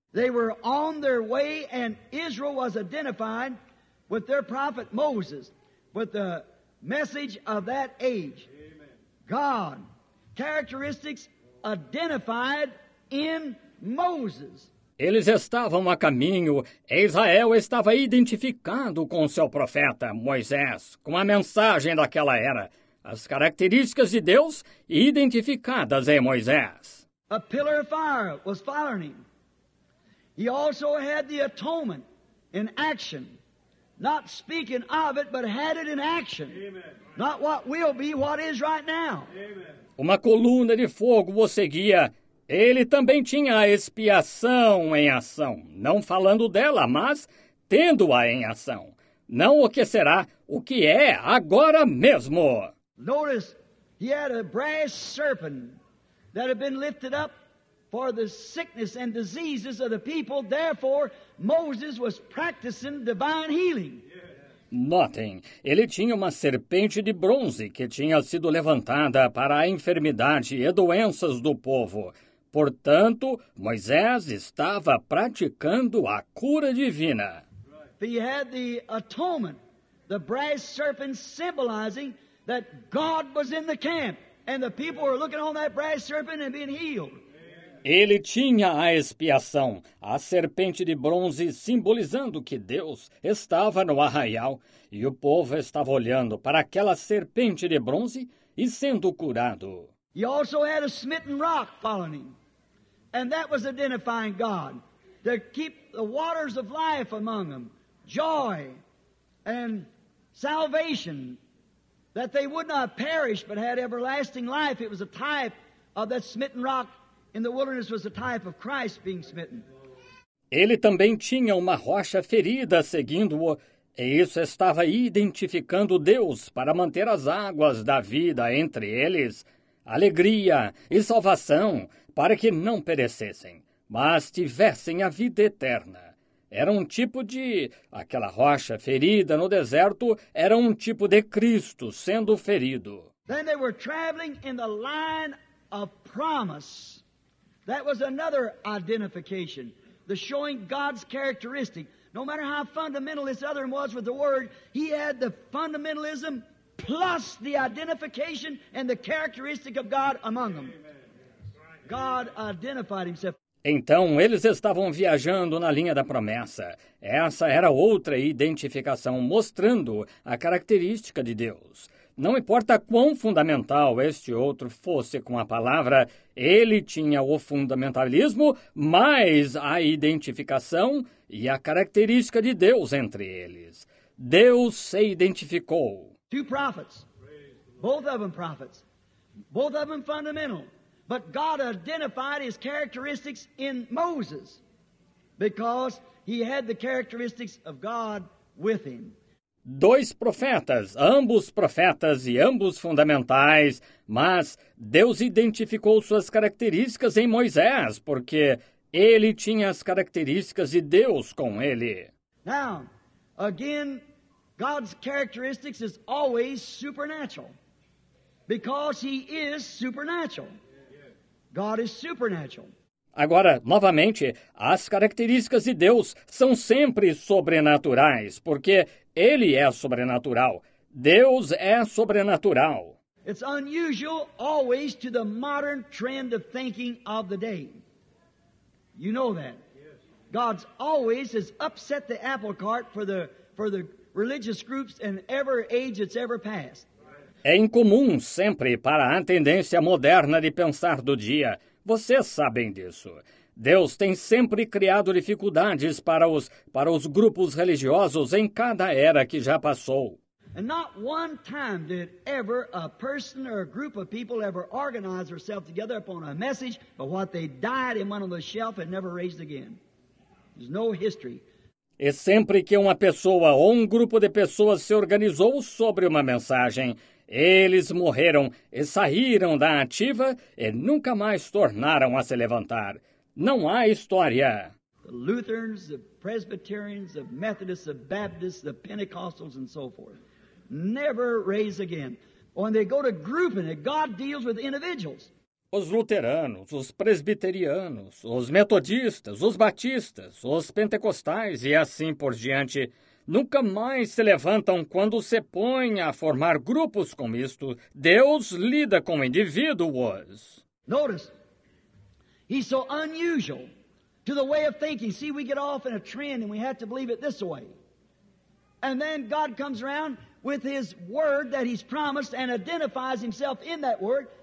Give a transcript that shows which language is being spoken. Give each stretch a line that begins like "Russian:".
English: They were on their way, and Israel was identified with their prophet Moses, with the message of that age. God, characteristics identified in Moses.
Portuguese: Eles estavam a caminho, Israel estava identificado com seu profeta, Moisés, com a mensagem daquela era, as características de Deus identificadas em Moisés.
English: A pillar of fire was following him. He also had the atonement. in action. Not speaking of it, but had it in action. Amen. Not what will be, what is right now. Amen.
Portuguese: Uma coluna de fogo o seguia. Ele também tinha a expiação em ação, não falando dela, mas tendo-a em ação. Não o que será, o que é agora mesmo.
English: Notice, he had a brass serpent that had been lifted up for the sickness and diseases of the people. Therefore, Moses was practicing divine healing.
Portuguese: Notem, ele tinha uma serpente de bronze que tinha sido levantada para a enfermidade e doenças do povo. Portanto, Moisés estava praticando a cura divina.
English: He had the atonement, the brass serpent symbolizing that God was in the camp and the people were looking on that brass serpent and being healed.
Portuguese: Ele tinha a expiação, a serpente de bronze simbolizando que Deus estava no arraial e o povo estava olhando para aquela serpente de bronze e sendo curado.
English: He also had a smitten rock following him. And that was identifying God to keep the waters of life among them, joy and salvation, that they would not perish but had everlasting life. It was a type of that smitten rock in the wilderness, was a type of Christ being smitten.
Portuguese: Ele também tinha uma rocha ferida seguindo-o, e isso estava identificando Deus para manter as águas da vida entre eles, alegria e salvação, para que não perecessem, mas tivessem a vida eterna. Era um tipo de... aquela rocha ferida no deserto era um tipo de Cristo sendo ferido.
English: Then they were traveling in the line of promise. That was another identification, the showing God's characteristic. No matter how fundamental this other one was with the word, he had the fundamentalism plus the identification and the characteristic of God among them. God identified himself.
Portuguese: Então, eles estavam viajando na linha da promessa. Essa era outra identificação, mostrando a característica de Deus. Não importa quão fundamental este outro fosse com a palavra, ele tinha o fundamentalismo, mais a identificação e a característica de Deus entre eles. Deus se identificou.
English: Two prophets, both of them prophets, both of them fundamental. But God identified his characteristics in Moses because he had the characteristics of God with him.
Portuguese: Dois profetas, ambos profetas e ambos fundamentais, mas Deus identificou suas características em Moisés porque ele tinha as características de Deus com ele.
English: Now, again, God's characteristics is always supernatural because he is supernatural. God is supernatural.
Portuguese: Agora, novamente, as características de Deus são sempre sobrenaturais, porque Ele é sobrenatural. Deus é sobrenatural.
English: It's unusual always to the modern trend of thinking of the day. You know that. God's always has upset the apple cart for the religious groups in every age that's ever passed.
Portuguese: É incomum sempre para a tendência moderna de pensar do dia. Vocês sabem disso. Deus tem sempre criado dificuldades para os grupos religiosos em cada era que já passou.
English: And not one time did ever a person or a group of people ever organize herself together upon a message, but what they died in one on the shelf and never raised again. There's no history.
Portuguese: E sempre que uma pessoa ou um grupo de pessoas se organizou sobre uma mensagem, eles morreram e saíram da ativa e nunca mais tornaram a se levantar. Não há história.
English: The Lutherans, the Presbyterians, the Methodists, the Baptists, the Pentecostals, and so forth. Never raise again. When they go to grouping it, God deals with individuals.
Portuguese: Os luteranos, os presbiterianos, os metodistas, os batistas, os pentecostais e assim por diante, nunca mais se levantam quando se põe a formar grupos com isto. Deus lida com indivíduos.
English: Notice, he's so unusual to the way of thinking. See, we get off in a trend and we have to believe it this way. And then God comes around with his word that he's promised and identifies himself in that word.